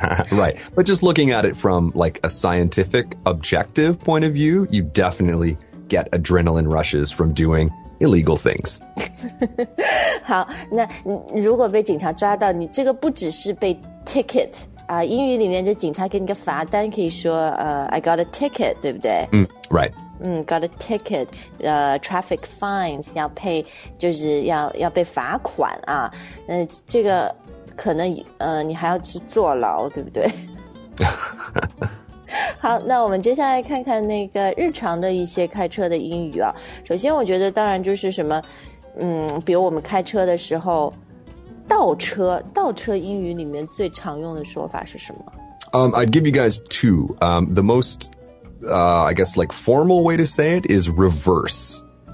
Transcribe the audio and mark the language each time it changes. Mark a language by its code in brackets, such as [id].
[en] Right, but just looking at it from like a scientific objective point of view, you definitely get adrenaline rushes from doing illegal things. [zh] 好，那如果被警察抓到，你这个不只是被 ticket,英语里面就警察给你个罚单可以说 [en] I got a ticket, [zh] 对不对？ [en] Right. Got a ticket, traffic fines, [zh] 要配就是要被罚款啊。这个可能你还要去坐牢，对不对？好，那我们接下来看看那个日常的一些开车的英语啊。首先我觉得当然就是什么比如我们开车的时候倒车英语里面最常用的说法是什么？ [en] I'd give you guys two. The mostI guess like formal way to say it is reverse.